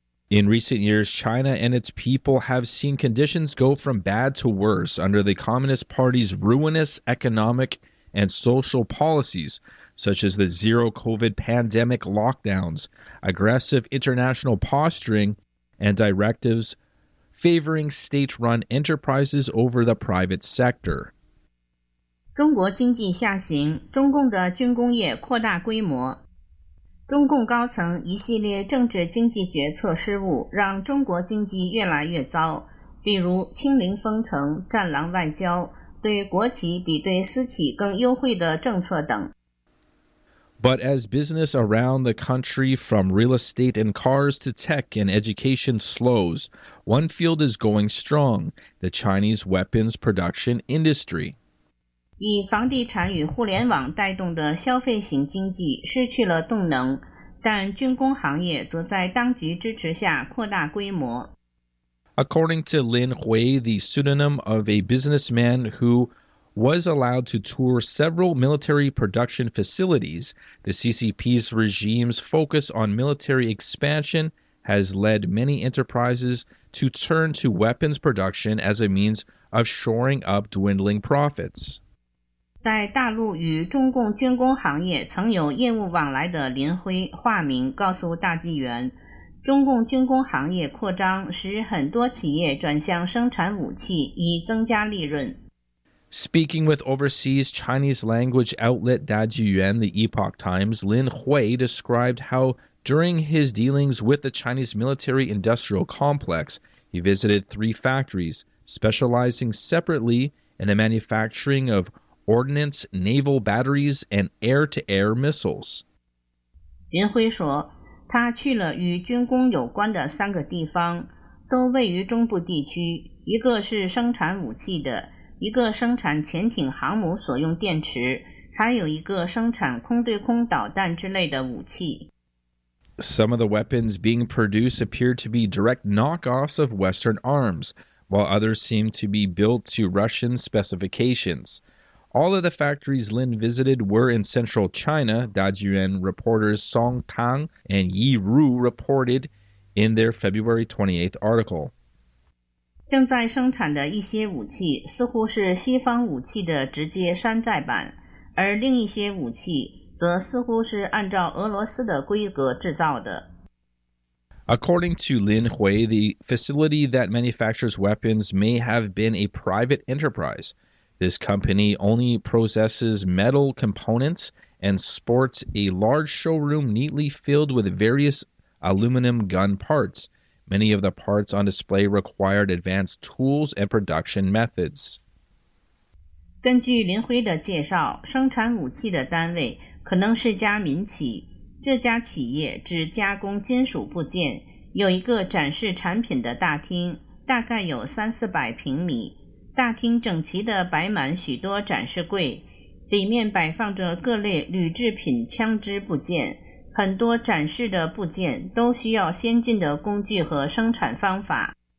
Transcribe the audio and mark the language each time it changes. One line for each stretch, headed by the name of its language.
English: In recent years, China and its people have seen conditions go from bad to worse under the Communist Party's ruinous economic and social policies, such as the zero COVID pandemic lockdowns, aggressive international posturing, and directives favoring state-run enterprises over the private sector.
Chinese: 中国经济下行，中共的军工业扩大规模。中共高层一系列政治经济决策失误让中国经济越来越糟，比如清零封城、战狼外交、对国企比对私企更优惠的政策等。
English: But as business around the country, from real estate and cars to tech and education, slows, one field is going strong, the Chinese weapons production industry.
Chinese: 以房地产与互联网带动的消费型经济失去了动能，但军工行业则在当局支持下扩大规模。
English: According to Lin Hui, the pseudonym of a businessman who was allowed to tour several military production facilities, the CCP's regime's focus on military expansion has led many enterprises to turn to weapons production as a means of shoring up dwindling profits.
Chinese: 在大陆与中共军工行业曾有业务往来的林辉化名告诉大纪元，中共军工行业扩张使很多企业转向生产武器以增加利润。
English: Speaking with overseas Chinese language outlet 大纪元 The Epoch Times, Lin Hui described how during his dealings with the Chinese military industrial complex, he visited three factories specializing separately in the manufacturing ofordnance, naval batteries, and air-to-air missiles.
Chinese: 林辉说，他去了与军工有关的三个地方，都位于中部地区，一个是生产武器的，一个生产潜艇航母所用电池，还有一个生产空对空导弹之类的武器。
English: Some of the weapons being produced appear to be direct knockoffs of Western arms, while others seem to be built to Russian specifications. All of the factories Lin visited were in central China, Dajuan reporters Song Tang and Yi Ru reported in their February 28th article.
Chinese: 正在生产的一些武器似乎是西方武器的直接山寨版，而另一些武器则似乎是按照俄罗斯的规格制造的。
English: According to Lin Hui, the facility that manufactures weapons may have been a private enterprise. This company only processes metal components and sports a large showroom neatly filled with various aluminum gun parts. Many of the parts on display required advanced tools and production methods.
Chinese: 根据林辉的介绍，生产武器的单位可能是家民企。这家企业只加工金属部件，有一个展示产品的大厅，大概有300-400平米。大厅整齐地摆满许多展示柜，里面摆放着各类铝制品枪支部件，很多展示的部件都需要先进的工具和生产方法。